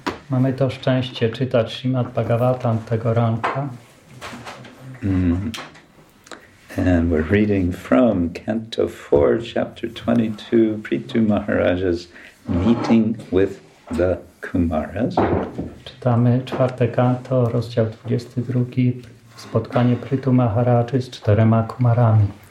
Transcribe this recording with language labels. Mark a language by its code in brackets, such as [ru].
[pl] Mamy to szczęście czytać Srimad Bhagavatam tego ranka. [en] And we're reading from Canto 4, Chapter 22, Prithu Maharaja's Meeting with the Kumaras. [pl] Czytamy czwarte kanto, rozdział 22, spotkanie Prithu Maharaja z czterema kumarami.